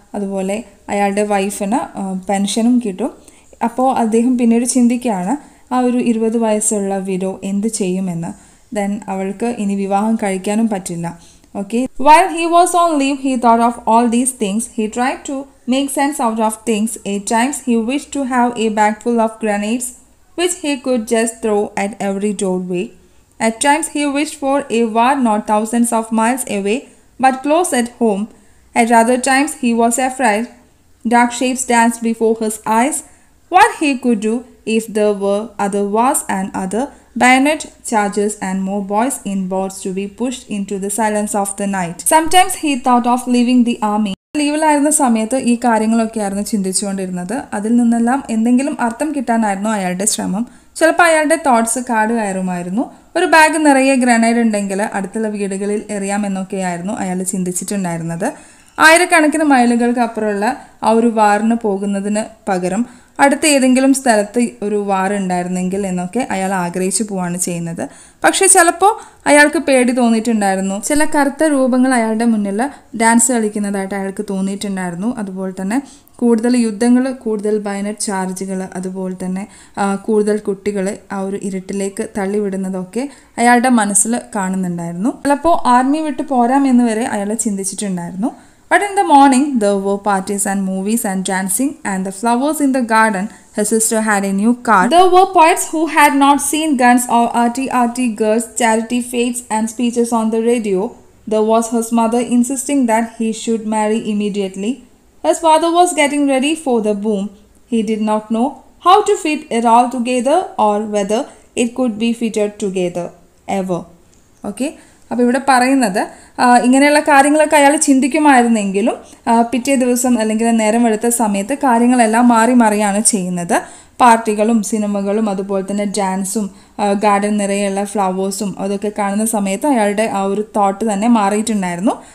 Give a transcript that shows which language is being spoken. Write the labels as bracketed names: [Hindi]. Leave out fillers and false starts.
[Malayalam] അതുപോലെ അയാളുടെ വൈഫിന് പെൻഷനും കിട്ടും. അപ്പോൾ അദ്ദേഹം പിന്നീട് ചിന്തിക്കുകയാണ് ആ ഒരു 20 വയസ്സുള്ള വിഡോ എന്ത് ചെയ്യുമെന്ന്. [English] then [Malayalam] അവൾക്ക് ഇനി വിവാഹം കഴിക്കാനും പറ്റില്ല. [English] Okay, while he was on leave he thought of all these things. He try to make sense out of things. At times he wish to have a bag full of grenades. which he could just throw at every doorway. At times he wished for a war not thousands of miles away, but close at home. At other times he was afraid. Dark shapes danced before his eyes. What he could do if there were other wars and other bayonet charges and more boys in boats to be pushed into the silence of the night. Sometimes he thought of leaving the army. [Malayalam] ലീവിലായിരുന്ന സമയത്ത് ഈ കാര്യങ്ങളൊക്കെയായിരുന്നു ചിന്തിച്ചുകൊണ്ടിരുന്നത്. അതിൽ നിന്നെല്ലാം എന്തെങ്കിലും അർത്ഥം കിട്ടാനായിരുന്നു അയാളുടെ ശ്രമം. ചിലപ്പോൾ അയാളുടെ തോട്ട്സ് കാടുകയറുമായിരുന്നു. ഒരു ബാഗ് നിറയെ ഗ്രനേഡ് ഉണ്ടെങ്കിൽ അടുത്തുള്ള വീടുകളിൽ എറിയാമെന്നൊക്കെയായിരുന്നു അയാൾ ചിന്തിച്ചിട്ടുണ്ടായിരുന്നത്. ആയിരക്കണക്കിന് മൈലുകൾക്ക് അപ്പുറമുള്ള ആ ഒരു വാറിന് പോകുന്നതിന് പകരം അടുത്ത ഏതെങ്കിലും സ്ഥലത്ത് ഒരു വാറുണ്ടായിരുന്നെങ്കിൽ എന്നൊക്കെ അയാൾ ആഗ്രഹിച്ചു പോവാണ് ചെയ്യുന്നത്. പക്ഷേ ചിലപ്പോൾ അയാൾക്ക് പേടി തോന്നിയിട്ടുണ്ടായിരുന്നു. ചില കറുത്ത രൂപങ്ങൾ അയാളുടെ മുന്നിൽ ഡാൻസ് കളിക്കുന്നതായിട്ട് അയാൾക്ക് തോന്നിയിട്ടുണ്ടായിരുന്നു. അതുപോലെ തന്നെ കൂടുതൽ യുദ്ധങ്ങൾ, കൂടുതൽ ബയനറ്റ് ചാർജുകൾ, അതുപോലെ തന്നെ കൂടുതൽ കുട്ടികൾ ആ ഒരു ഇരുട്ടിലേക്ക് തള്ളിവിടുന്നതൊക്കെ അയാളുടെ മനസ്സിൽ കാണുന്നുണ്ടായിരുന്നു. ചിലപ്പോൾ ആർമി വിട്ട് പോരാമെന്ന് വരെ അയാൾ ചിന്തിച്ചിട്ടുണ്ടായിരുന്നു. [English] But in the morning, there were parties and movies and dancing and the flowers in the garden. His sister had a new car. There were poets who had not seen guns or RTRT girls, charity fates and speeches on the radio. There was his mother insisting that he should marry immediately. His father was getting ready for the boom. He did not know how to fit it all together or whether it could be fitted together ever. Okay? [Malayalam] അപ്പോൾ ഇവിടെ പറയുന്നത് ഇങ്ങനെയുള്ള കാര്യങ്ങളൊക്കെ അയാൾ ചിന്തിക്കുമായിരുന്നെങ്കിലും പിറ്റേ ദിവസം അല്ലെങ്കിൽ നേരം വെളുത്ത സമയത്ത് കാര്യങ്ങളെല്ലാം മാറി മാറിയാണ് ചെയ്യുന്നത്. പാർട്ടികളും സിനിമകളും അതുപോലെ തന്നെ ഡാൻസും ഗാർഡൻ നിറയെയുള്ള ഫ്ലവേഴ്സും അതൊക്കെ കാണുന്ന സമയത്ത് അയാളുടെ ആ ഒരു തോട്ട് തന്നെ മാറിയിട്ടുണ്ടായിരുന്നു.